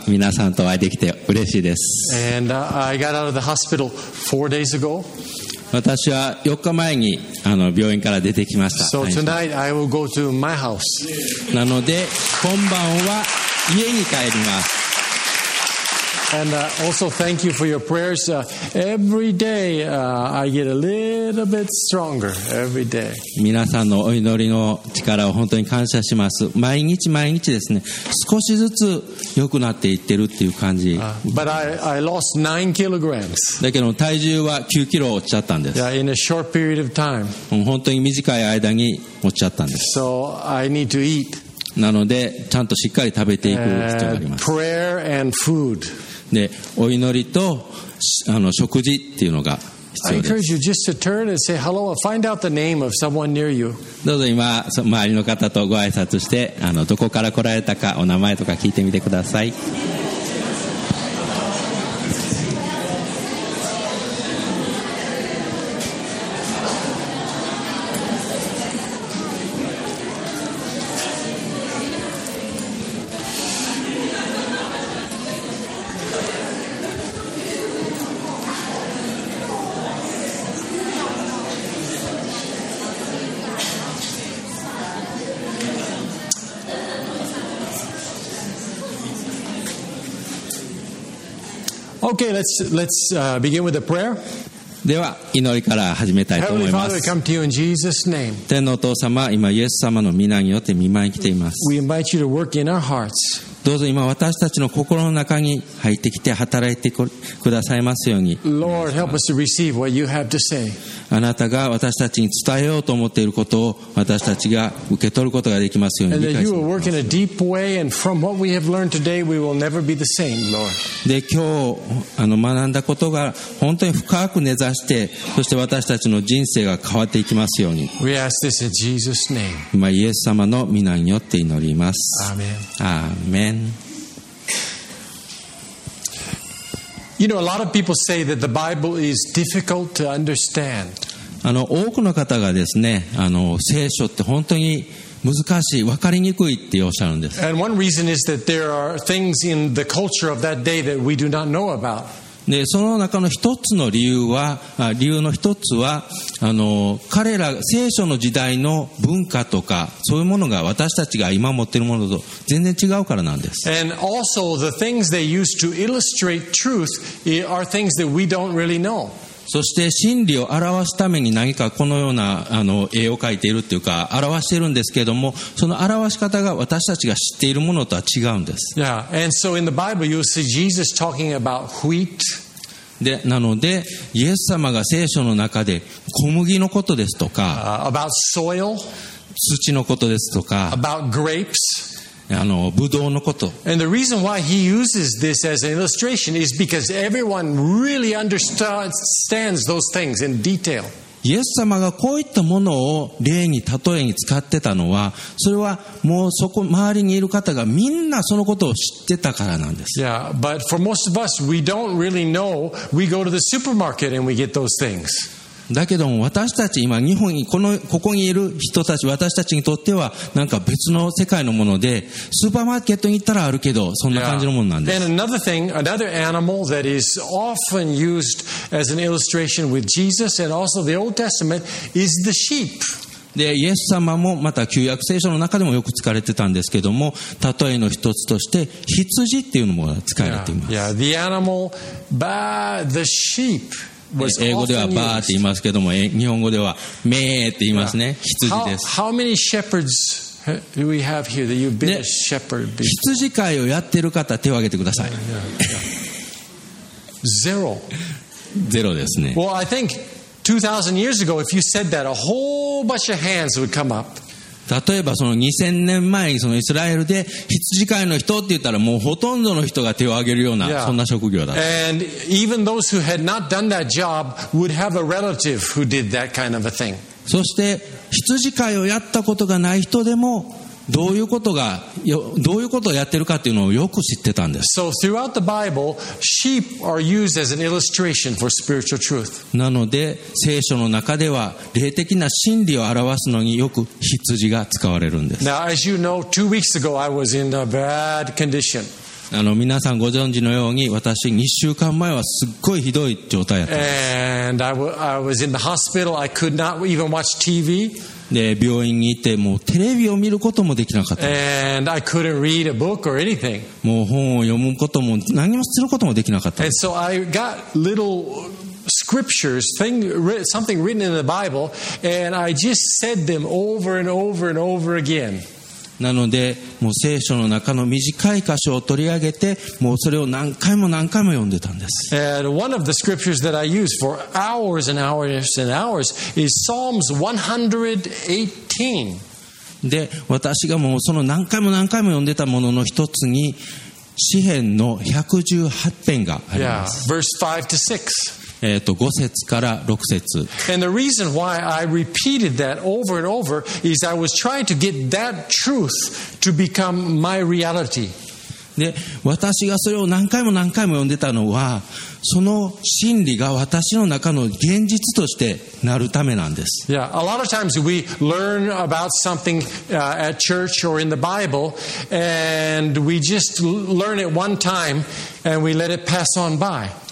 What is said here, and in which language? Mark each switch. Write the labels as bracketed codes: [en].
[ja] 皆さんとお会いできて嬉しいです。 [en] And I got out of the hospital 4 days ago. [ja] 私は4日前に病院から出てきました。 [en] So tonight I will go to my house. [ja] なので今晩は家に帰ります。 [en] And also thank you for your prayers. Every day I get a little bit stronger. Every day. [ja] 皆さんのお祈りの力を本当に感謝します。毎日毎日ですね、少しずつ良くなっていってるっていう感じ。 [en] But I lost 9 kilograms. [ja] だけど体重は9キロ落ちちゃったんです。 [en] Yeah, in a short period of time. [ja] 本当に短い間に落ちちゃったんです。 [en] So I need to eat. [ja] なのでちゃんとしっかり食べていく必要があります。 [en] Prayer and food. [ja] でお祈りと食事っていうのが必要です。 [en] I encourage you just to turn and say hello or find out the name of someone near you. [ja] どうぞ今周りの方とご挨拶してどこから来られたかお名前とか聞いてみてください。 [en] Okay, let's begin with a prayer. [ja] では祈りから始めたいと思います。 [en] Heavenly Father, we come to you in Jesus' name. [ja] 天のお父様、今イエス様の御名によって御前に来ています。 [en] We invite you to work in our hearts. [ja] どうぞ今私たちの心の中に入ってきて働いてくださいますように。 [en] Lord, help us to receive what you have to say. [ja] あなたが私たちに伝えようと思っていることを私たちが受け取ることができますように。 [en] And that you will work in a deep way, and from what we have learned today, we will never be the same, Lord. [ja] で今日学んだことが本当に深く根ざして、そして私たちの人生が変わっていきますように。 [en] We ask this in Jesus' name. [ja] 今イエス様の御名によって祈ります。 [en] Amen. Amen. You know, a lot of people say that the Bible is difficult to understand. [ja] 多くの方がですね、聖書って本当に難しい、分かりにくいっておっしゃるんです。 [en] And one reason is that there are things in the culture of that day that we do not know about. [ja] で、その中の一つの理由の一つは、彼ら聖書の時代の文化とかそういうものが私たちが今持っているものと全然違うからなんです。 [en] And also the things they use to illustrate truth are things that we don't really know. [ja] そして真理を表すために何かこのような絵を描いているというか表しているんですけれども、その表し方が私たちが知っているものとは違うんです。 [en] Yeah, and so in the Bible you see Jesus talking about wheat. [ja] でなのでイエス様が聖書の中で小麦のことですとか、 [en] about soil. [ja] 土のことですとか、 [en] about grapes. [ja] ブドウのこと。 [en] And the reason why he uses this as an illustration is because everyone really understands those things in detail. [ja] イエス様がこういったものを例に例えに使ってたのは、それはもうそこ周りにいる方がみんなそのことを知ってたからなんです。 [en] Yeah, but for most of us, we don't really know. We go to the supermarket and we get those things. [ja] だけども私たち今日本にここにいる人たち、私たちにとってはなんか別の世界のもので、スーパーマーケットに行ったらあるけどそんな感じのものなんです。 [en] And another thing, another animal that is often used as an illustration with Jesus and also the Old Testament is the sheep. [ja] でイエス様もまた旧約聖書の中でもよく使われてたんですけども、例えの一つとして羊っていうのも使われています。 [en] Yeah, the animal, the sheep. [ja] 英語ではバーって言いますけども、日本語ではメーって言いますね。羊です。 [en] How many shepherds do we have here that you've been a shepherd before? [ja] 羊飼いをやってる方手を挙げてください。 [en] Zero. [ja] ゼロですね。 [en] Well, I think 2,000 years ago if you said that a whole bunch of hands would come up. [ja] 例えばその2000年前にそのイスラエルで羊飼いの人って言ったら、もうほとんどの人が手を挙げるようなそんな職業だ。 [en] And even those who had not done that job would have a relative who did that kind of a thing. [ja] そして羊飼いをやったことがない人でもどういうことをやってるかっていうのをよく知ってたんです。 [en] So throughout the Bible, sheep are used as an illustration for spiritual truth. [ja] なので、聖書の中では霊的な真理を表すのによく羊が使われるんです。 [en] Now, as you know, 2 weeks ago, I was in a bad condition. [ja] 皆さんご存知のように、私2週間前はすっごいひどい状態だったんです。 [en] And I was in the hospital. I could not even watch TV. [ja] で病院に行ってもうテレビを見ることもできなかった。 [en] And I couldn't read a book or anything. [ja] もう本を読むことも何もすることもできなかった。 [en] And so I got little scriptures, thing, something written in the Bible, and I just said them over and over and over again. [ja] なのでもう聖書の中の短い箇所を取り上げてもうそれを何回も何回も読んでたんです。 [en] And one of the scriptures that I use for hours and hours and hours is Psalms 118. [ja] で私がもうその何回も何回も読んでたものの一つに詩編の118編があります。 [en] Yeah, verse 5 to 6. [ja] 5節から6節。 [en] And the reason why I repeated that over and over is I was trying to get that truth to become my reality. [ja] で、私がそれを何回も何回も読んでたのは、その真理が私の中の現実としてなるためなんです。 [en] Yeah, a lot of times we learn about something at church or in the Bible and we just learn it one time and we let it pass on by.